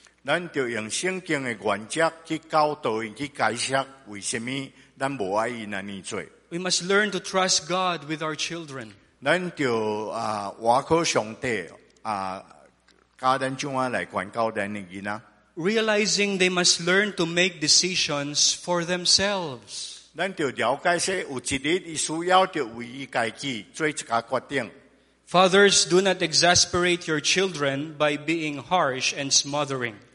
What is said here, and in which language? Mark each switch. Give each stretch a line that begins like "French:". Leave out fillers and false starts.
English: We must learn to trust God with our children. We must learn to trust God with our children. realizing they must learn to make decisions for themselves.
Min Nan Chinese: 咱就了解说，有一日伊需要着为伊家己做一个决定。
English: Fathers, do not exasperate your children by being harsh and smothering.